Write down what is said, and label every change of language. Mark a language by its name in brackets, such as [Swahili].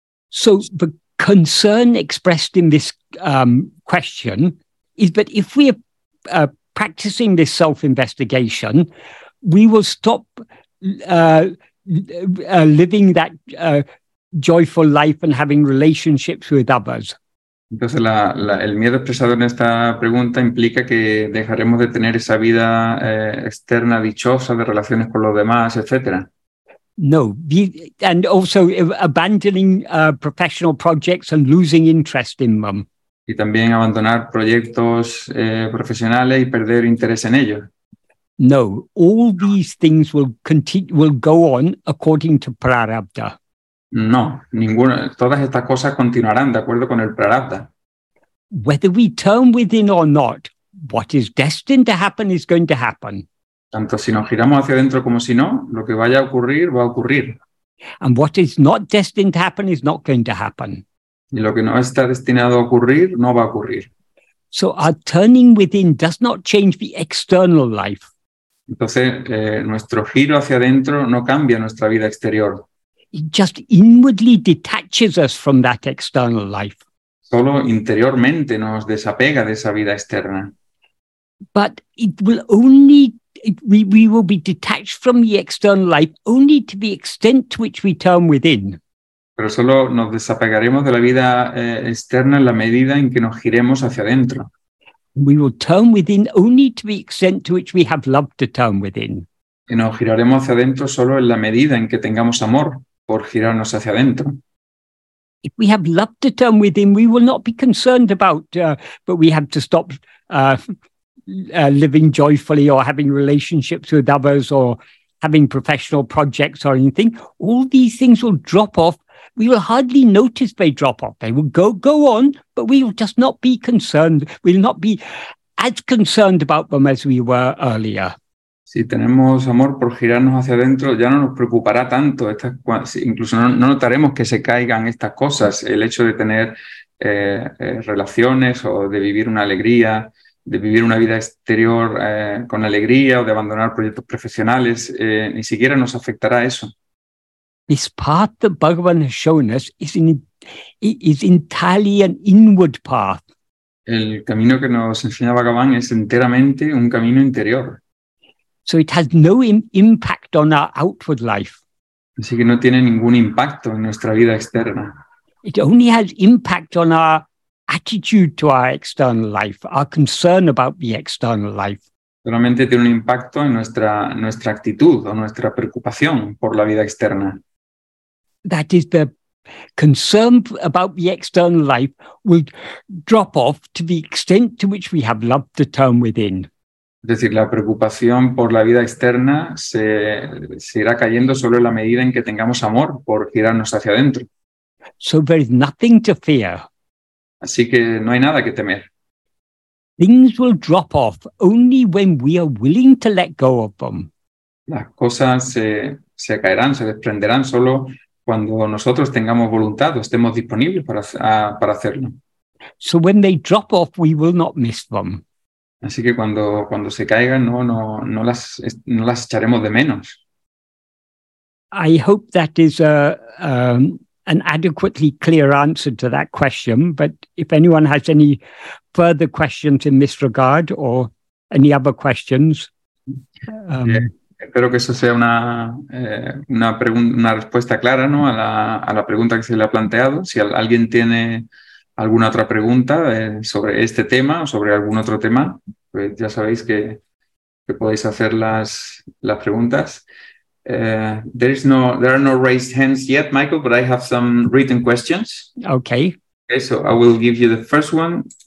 [English] So the concern expressed in this question is that if we are practicing this self-investigation, we will stop living that joyful life and having relationships with others. [Spanish] Entonces, el miedo expresado en esta pregunta implica que dejaremos de tener esa vida externa, dichosa, de relaciones con los demás, etc. [English] No, and also abandoning professional projects and losing interest in them. [Spanish] Y también abandonar proyectos profesionales y perder interés en ellos. [English] No, all these things will go on according to Prarabdha. [Spanish] No, ninguna, todas estas cosas continuarán de acuerdo con el Prarabdha. [English] Whether we turn within or not, what is destined to happen is going to happen. [Spanish] Tanto si nos giramos hacia adentro como si no, lo que vaya a ocurrir, va a ocurrir. [English] And what is not destined to happen is not going to happen. [Spanish] Y lo que no está destinado a ocurrir, no va a ocurrir. [English] So our turning within does not change the external life. [Spanish] Entonces, nuestro giro hacia adentro no cambia nuestra vida exterior. [English] It just inwardly detaches us from that external life. [Spanish] Solo interiormente nos desapega de esa vida externa. [English] But we will be detached from the external life only to the extent to which we turn within. [Spanish] Pero solo nos desapegaremos de la vida externa en la medida en que nos giremos hacia adentro. [English] We will turn within only to the extent to which we have love to turn within. [Spanish] Y nos giraremos hacia adentro solo en la medida en que tengamos amor por girarnos hacia adentro. [English] If we have love to turn within, we will not be concerned about but we have to stop living joyfully or having relationships with others or having professional projects or anything. All these things will drop off. We will hardly notice they drop off. They will go on, but we will just not be concerned. We'll not be as concerned about them as we were earlier. [Spanish] Si tenemos amor por girarnos hacia adentro, ya no nos preocupará tanto. Incluso no notaremos que se caigan estas cosas. El hecho de tener relaciones o de vivir una alegría, de vivir una vida exterior con alegría o de abandonar proyectos profesionales, ni siquiera nos afectará eso. [English] This path that Bhagavan has shown us is entirely an inward path. [Spanish] El camino que nos enseña Bhagavan es enteramente un camino interior. [English] So it has no impact on our outward life. [Spanish] Así que no tiene ningún impacto en nuestra vida externa. [English] It only has impact on our attitude to our external life, our concern about the external life. [Spanish] Solamente tiene un impacto en nuestra actitud o nuestra preocupación por la vida externa. [English] That is, the concern about the external life will drop off to the extent to which we have love to turn within. [Spanish] Es decir, la preocupación por la vida externa se irá cayendo solo en la medida en que tengamos amor por girarnos hacia adentro. [English] So there is nothing to fear. [Spanish] Así que no hay nada que temer. [English] Things will drop off only when we are willing to let go of them. [Spanish] Las cosas se caerán, se desprenderán solo cuando nosotros tengamos voluntad o estemos disponibles para hacerlo. [English] So when they drop off, we will not miss them. [Spanish] Así que cuando se caigan, no las echaremos de menos. [English] I hope that is an adequately clear answer to that question, but if anyone has any further questions in this regard or any other questions. [Spanish] Espero que eso sea una respuesta clara, ¿no?, a la pregunta que se le ha planteado. Si alguien tiene alguna otra pregunta sobre este tema o sobre algún otro tema, pues ya sabéis que podéis hacer las preguntas. [English] There are no raised hands yet, Michael, but I have some written questions. Okay, so I will give you the first one.